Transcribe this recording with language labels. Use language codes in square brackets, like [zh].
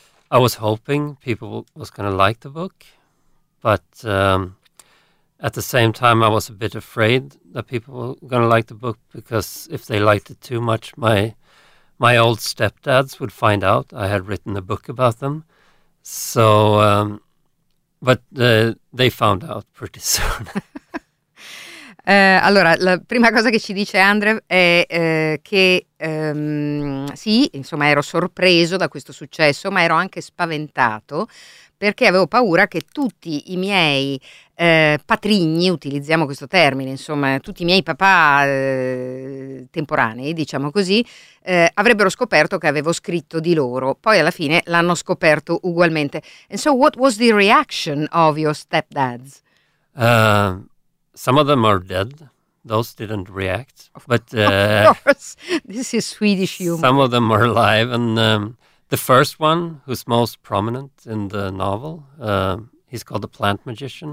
[en] I was hoping people was going to like the book, but at the same time, I was a bit afraid that people were going to like the book, because if they liked it too much, my old stepdads would find out I had written a book about them. So, they found out pretty soon. [it] Allora, la prima cosa che ci dice Andrew è che sì, insomma, ero sorpreso da questo successo, ma ero anche spaventato, perché avevo paura che tutti i miei patrigni, utilizziamo questo termine, insomma, tutti i miei papà temporanei, diciamo così, avrebbero scoperto che avevo scritto di loro. Poi alla fine l'hanno scoperto ugualmente. [en] And so what was the reaction of your stepdads? Some of them are dead. Those didn't react. But of course, this is Swedish humor. Some of them are alive. And the first one, who's most prominent in the novel, he's called the plant magician.